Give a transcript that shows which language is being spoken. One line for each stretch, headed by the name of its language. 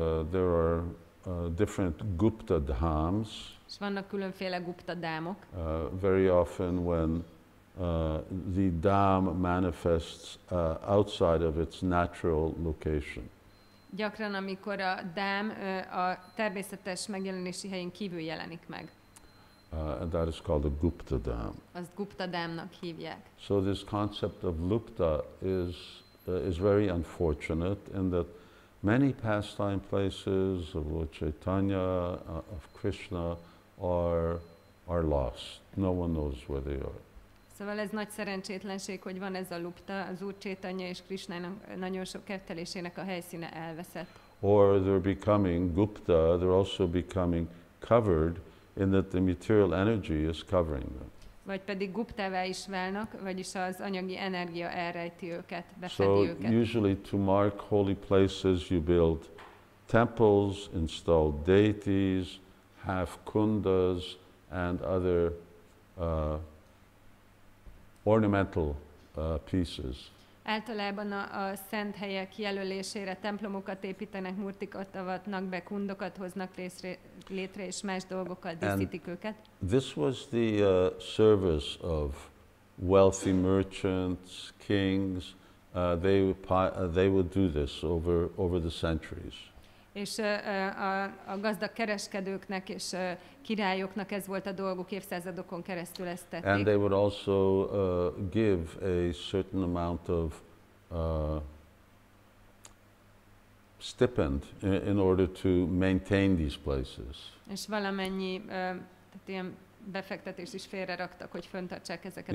English: There are different Gupta dhams.
Hungarian: És vannak különféle Gupta dhámok.
English: Very often when the dham manifests outside of its natural location.
Hungarian: Gyakran, amikor a dám a természetes megjelenési helyén kívül jelenik meg.
English: And that is called a Gupta dham.
Hungarian: Azt Gupta dhámnak hívják.
English: So this concept of Lupta is very unfortunate in that many pastime places of Lord Caitanya, of Krishna are lost. No one knows where they are.
Hungarian: Szóval ez nagy szerencsétlenség, hogy van ez a lupta, az Úr Caitanya és Krisnának nagyon sok kettelésének a helyszíne elveszett.
English: Or they're becoming gupta, they're also becoming covered in that the material energy is covering them.
Hungarian: Vagy pedig guptává is válnak, vagyis az anyagi energia elrejti őket, befedi
English: so
Hungarian: őket.
English: So usually to mark holy places you build temples, install deities, have kundas and other ornamental pieces.
Hungarian: Általában a szent helyek jelölésére templomokat építenek, murtikat avatnak be, kundokat hoznak létre és más dolgokkal díszítik őket.
English: This was the service of wealthy merchants, kings. They would do this over the centuries.
Hungarian: És a gazdag kereskedőknek és királyoknak ez volt a dolguk, évszázadokon keresztül ezt tették.
English: And they would also give a certain amount of stipend in order to maintain these places.
Hungarian: És valamennyi tehát ilyen befektetést is félre raktak, hogy fönntartsák ezeket